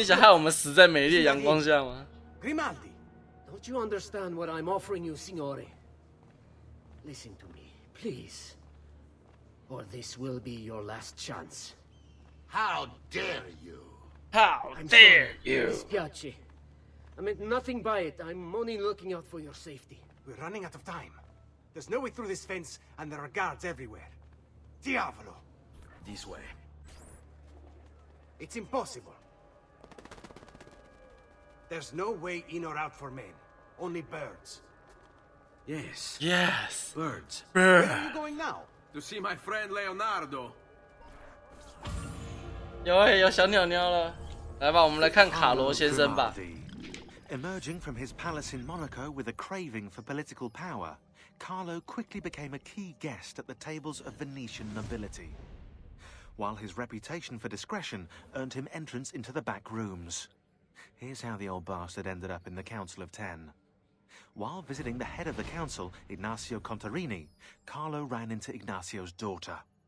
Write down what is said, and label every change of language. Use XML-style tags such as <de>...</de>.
<zh>直接跑到别人家里面了，上得来才有鬼啊！还没说你想害我们死在美丽阳光下吗</zh> <en>？Grimaldi， don't you understand what I'm offering you, signore? Listen to me, please, or this will be your last chance. How dare you? How dare you?</en> <it>Mi spiace.</it> <en>I meant nothing by it. I'm only looking out for your safety. We're running out of time. There's no way through this fence, and there are guards everywhere.</en> <it>Diavolo.</it> <en>This way. It's impossible. There's no way in or out for men. Only birds. Yes. Yes. Birds. Birds. Where are you going now? To see my friend Leonardo.</en> <zh>有小鸟鸟了，来吧，我们来看卡罗先生吧。</zh> <en>Emerging from his palace in Monaco with a craving for political power, Carlo quickly became a key guest at the tables of Venetian nobility. While his reputation for discretion earned him entrance into the back rooms. Here's how the old bastard ended up in the Council of Ten. While visiting the head of the council, Ignacio Contarini, Carlo ran into Ignacio's daughter.</en>